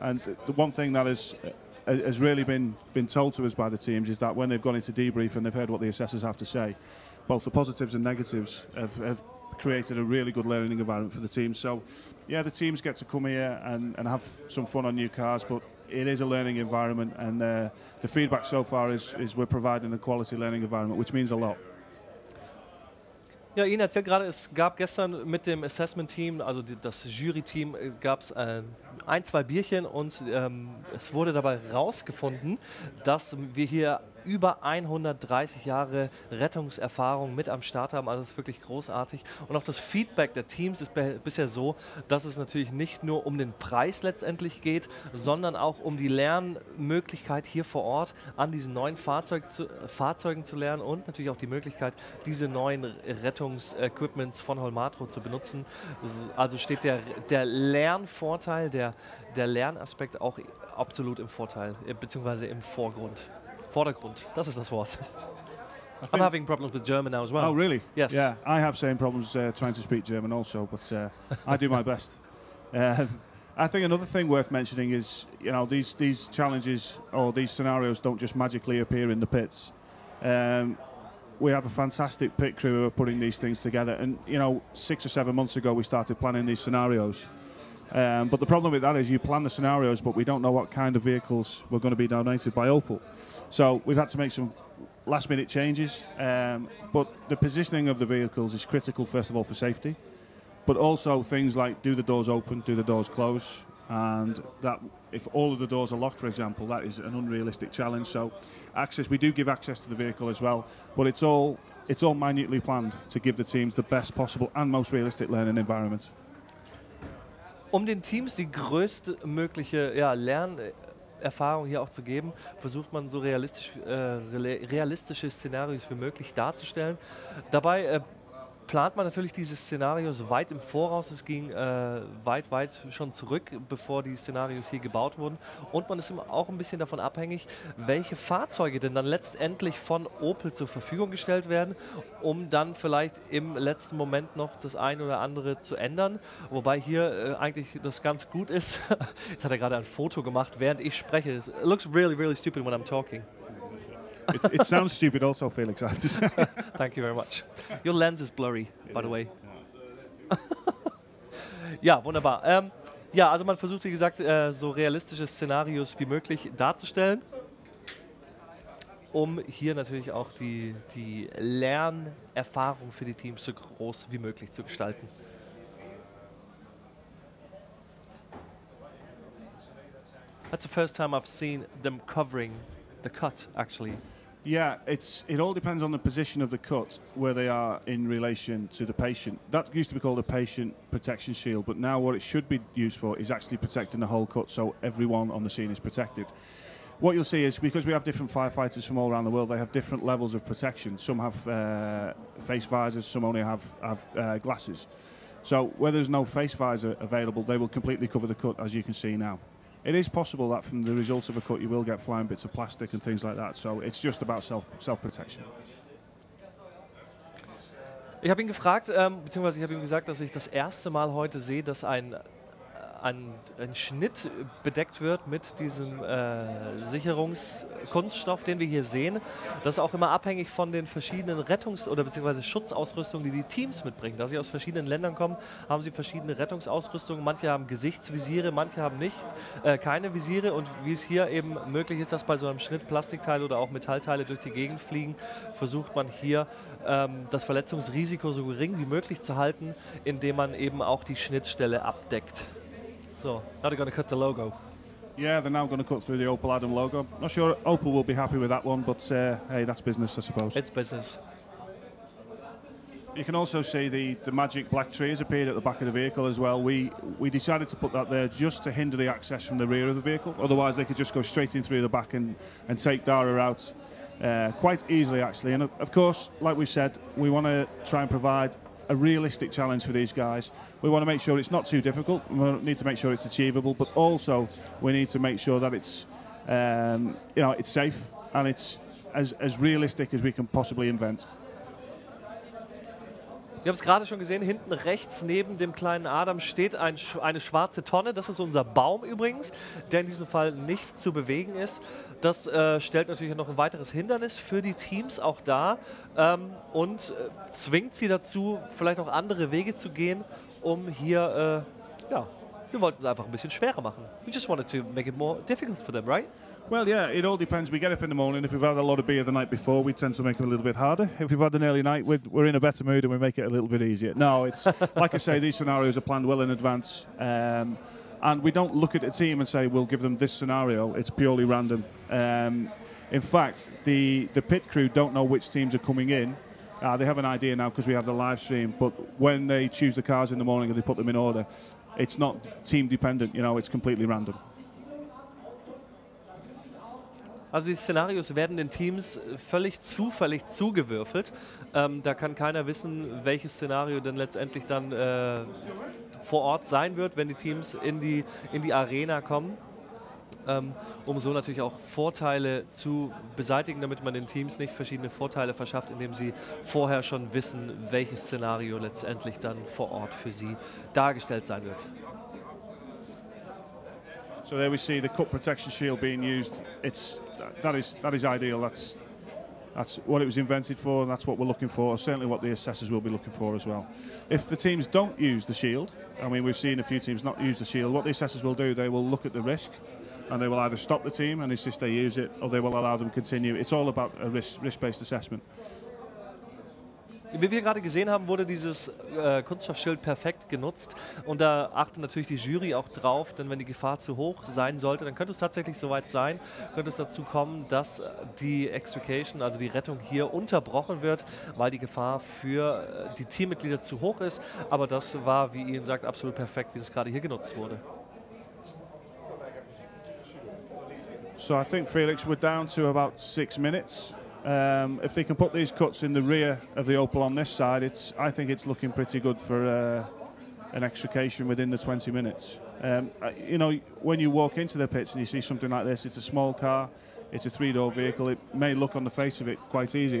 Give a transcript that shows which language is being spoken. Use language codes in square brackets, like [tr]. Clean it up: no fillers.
[en] And the one thing that has really been told to us by the teams is that when they've gone into debrief and they've heard what the assessors have to say, both the positives and negatives have created a really good learning environment for the team. So, yeah, the teams get to come here and have some fun on new cars, but it is a learning environment, and the feedback so far is we're providing a quality learning environment, which means a lot. [de] Ja, Ihnen erzählt gerade, es gab gestern mit dem Assessment Team, also das Jury Team, gab es ein, zwei Bierchen, und es wurde dabei rausgefunden, dass wir hier über 130 Jahre Rettungserfahrung mit am Start haben. Also das ist wirklich großartig. Und auch das Feedback der Teams ist bisher so, dass es natürlich nicht nur um den Preis letztendlich geht, sondern auch um die Lernmöglichkeit hier vor Ort an diesen neuen Fahrzeugen zu lernen und natürlich auch die Möglichkeit, diese neuen Rettungsequipments von Holmatro zu benutzen. Also steht der Lernvorteil, der Lernaspekt auch absolut im Vorteil, beziehungsweise im Vorgrund. Vordergrund, das ist das Wort. [en] I'm having problems with German now as well. Oh, really? Yes. Yeah, I have same problems trying to speak German also, but I do my best. I think another thing worth mentioning is, you know, these challenges or these scenarios don't just magically appear in the pits. We have a fantastic pit crew who are putting these things together. And, you know, 6 or 7 months ago, we started planning these scenarios. But the problem with that is you plan the scenarios, but we don't know what kind of vehicles were going to be donated by Opel. So we've had to make some last-minute changes, but the positioning of the vehicles is critical, first of all, for safety, but also things like, do the doors open, do the doors close, and that if all of the doors are locked, for example, that is an unrealistic challenge. So access, we do give access to the vehicle as well, but it's all minutely planned to give the teams the best possible and most realistic learning environment. [de] Um den Teams die größtmögliche Lernerfahrung hier auch zu geben, versucht man so realistische Szenarios wie möglich darzustellen. Dabei plant man natürlich diese Szenarios weit im Voraus. Es ging weit schon zurück, bevor die Szenarios hier gebaut wurden. Und man ist immer auch ein bisschen davon abhängig, welche Fahrzeuge denn dann letztendlich von Opel zur Verfügung gestellt werden, um dann vielleicht im letzten Moment noch das ein oder andere zu ändern. Wobei hier eigentlich das ganz gut ist. Jetzt hat er gerade ein Foto gemacht, während ich spreche. [en] It looks really, really stupid when I'm talking. It sounds stupid also, Felix. Thank you very much. Your lens is blurry, by the way. [de] Ja, wunderbar. Also man versucht, wie gesagt, so realistische Szenarios wie möglich darzustellen, um hier natürlich auch die Lernerfahrung für die Teams so groß wie möglich zu gestalten. [en] That's the first time I've seen them covering the cut, actually. Yeah, it all depends on the position of the cut, where they are in relation to the patient. That used to be called a patient protection shield, but now what it should be used for is actually protecting the whole cut, so everyone on the scene is protected. What you'll see is, because we have different firefighters from all around the world, they have different levels of protection. Some have face visors, some only have glasses. So where there's no face visor available, they will completely cover the cut, as you can see now. It is possible that from the results of a cut you will get flying bits of plastic and things like that, so it's just about self-protection. [de] Ich habe ihn gefragt, beziehungsweise ich habe ihm gesagt, dass ich das erste Mal heute sehe, dass ein ein Schnitt bedeckt wird mit diesem Sicherungskunststoff, den wir hier sehen. Das ist auch immer abhängig von den verschiedenen Rettungs- oder beziehungsweise Schutzausrüstungen, die die Teams mitbringen. Da sie aus verschiedenen Ländern kommen, haben sie verschiedene Rettungsausrüstungen. Manche haben Gesichtsvisiere, manche haben nicht, keine Visiere. Und wie es hier eben möglich ist, dass bei so einem Schnitt Plastikteile oder auch Metallteile durch die Gegend fliegen, versucht man hier das Verletzungsrisiko so gering wie möglich zu halten, indem man eben auch die Schnittstelle abdeckt. [en] So, now they're going to cut the logo. Yeah, they're now going to cut through the Opel Adam logo. Not sure Opel will be happy with that one, but hey, that's business, I suppose. It's business. You can also see the magic black tree has appeared at the back of the vehicle as well. We decided to put that there just to hinder the access from the rear of the vehicle. Otherwise, they could just go straight in through the back and take Dara out quite easily, actually. And of course, like we said, we want to try and provide a realistic challenge for these guys. We want to make sure it's not too difficult. We need to make sure it's achievable, but also we need to make sure that it's it's safe and it's as realistic as we can possibly invent. [de] Wir haben es gerade schon gesehen, hinten rechts neben dem kleinen Adam steht eine schwarze Tonne. Das ist unser Baum übrigens, der in diesem Fall nicht zu bewegen ist. Das stellt natürlich noch ein weiteres Hindernis für die Teams auch dar und zwingt sie dazu, vielleicht auch andere Wege zu gehen, um hier, wir wollten es einfach ein bisschen schwerer machen. [en] We just wanted to make it more difficult for them, right? Well, yeah, it all depends. We get up in the morning. If we've had a lot of beer the night before, we tend to make it a little bit harder. If we've had an early night, we're in a better mood and we make it a little bit easier. No, it's like I say, these scenarios are planned well in advance. And we don't look at a team and say, we'll give them this scenario. It's purely random. In fact, the pit crew don't know which teams are coming in. They have an idea now because we have the live stream. But when they choose the cars in the morning and they put them in order, it's not team dependent. You know, it's completely random. [de] Also die Szenarios werden den Teams völlig zufällig zugewürfelt. Da kann keiner wissen, welches Szenario denn letztendlich dann vor Ort sein wird, wenn die Teams in die Arena kommen, um so natürlich auch Vorteile zu beseitigen, damit man den Teams nicht verschiedene Vorteile verschafft, indem sie vorher schon wissen, welches Szenario letztendlich dann vor Ort für sie dargestellt sein wird. [en] So there we see the cut protection shield being used. It's that is ideal. That's what it was invented for, and that's what we're looking for. Certainly, what the assessors will be looking for as well. If the teams don't use the shield, I mean, we've seen a few teams not use the shield. What the assessors will do, they will look at the risk, and they will either stop the team and insist they use it, or they will allow them to continue. It's all about a risk-based assessment. [de] Wie wir gerade gesehen haben, wurde dieses Kunststoffschild perfekt genutzt und da achtet natürlich die Jury auch drauf, denn wenn die Gefahr zu hoch sein sollte, dann könnte es tatsächlich soweit sein, könnte es dazu kommen, dass die Extrication, also die Rettung hier unterbrochen wird, weil die Gefahr für die Teammitglieder zu hoch ist, aber das war, wie Ian sagt, absolut perfekt, wie es gerade hier genutzt wurde. [en] So I think Felix, we're down to about 6 minutes. If they can put these cuts in the rear of the Opel on this side, I think it's looking pretty good for an extrication within the 20 minutes. You know, when you walk into the pits and you see something like this, it's a small car, it's a three-door vehicle, it may look on the face of it quite easy.